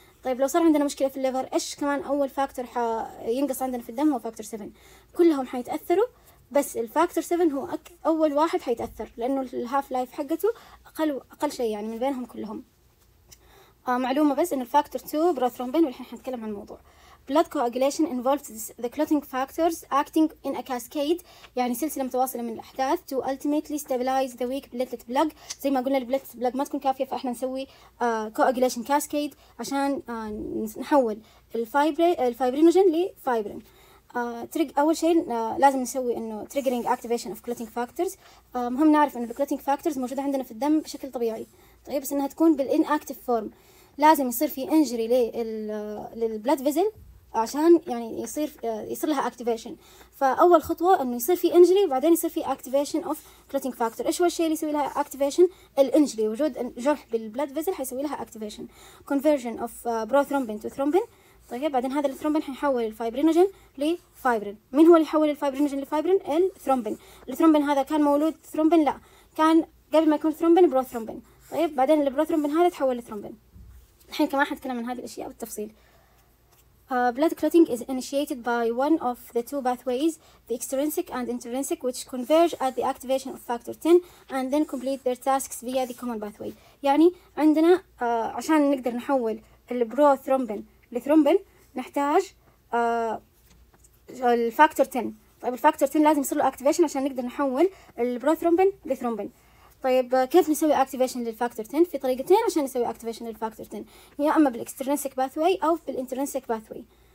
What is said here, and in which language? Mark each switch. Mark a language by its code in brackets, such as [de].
[ar] طيب لو صار عندنا مشكله في الليفر، ايش كمان اول فاكتور حينقص عندنا في الدم؟ هو فاكتور 7. كلهم حيتاثروا، بس الفاكتور 7 هو اول واحد حيتاثر، لانه الهاف لايف حقته اقل شيء يعني من بينهم كلهم. معلومة بس ان الفاكتور 2 بروثرومبين، والحين حنتكلم عن الموضوع. [en] Blood coagulation involves the clotting factors acting in a cascade، [ar] يعني سلسلة متواصلة من الأحداث [en] to ultimately stabilize the weak platelet plug. [ar] زي ما قلنا البلاتلت بلاج ما تكون كافية، فإحنا نسوي coagulation cascade عشان نحول الفايبرينوجين لفايبرين. أول شيء لازم نسوي إنه [en] triggering activation of clotting factors. [ar] مهم نعرف إنه clotting factors موجودة عندنا في الدم بشكل طبيعي، طيب بس إنها تكون بالinactive form. لازم يصير في injury للblood vessel عشان يعني يصير لها activation. فأول خطوة إنه يصير في injury، بعدين يصير في [en] activation of clotting factor. [ar] إيش هو الشيء اللي يسوي لها activation؟ الinjury، وجود جرح بالblood vessel حيسوي لها activation. [en] conversion of prothrombin to thrombin. [ar] طيب بعدين هذا الثرومبين حيحول الفايبرينوجين لفايبرين. مين هو اللي حول الفايبرينوجين لفايبرين؟ الثرومبين. الثرومبين هذا كان مولود ثرومبين؟ لا، كان قبل ما يكون ثرومبين بروثرومبين. طيب بعدين البروثرومبين هذا تحول لثرومبين. الحين كمان حنتكلم عن هذه الاشياء بالتفصيل. [en] Blood clotting is initiated by one of the two pathways, the extrinsic and intrinsic, which converge at the activation of factor 10 and then complete their tasks via the common pathway. [ar] يعني عندنا عشان نقدر نحول البروثرومبين الثرومبين نحتاج الفاكتور 10. طيب الفاكتور 10 لازم يصير له اكتيفيشن عشان نقدر نحول البروثرومبين لثرومبين. طيب كيف نسوي اكتيفيشن للفاكتور 10؟ في طريقتين عشان نسوي اكتيفيشن للفاكتور 10، يا اما بالاكسترنسك باثوي او بالانترنسك باثوي.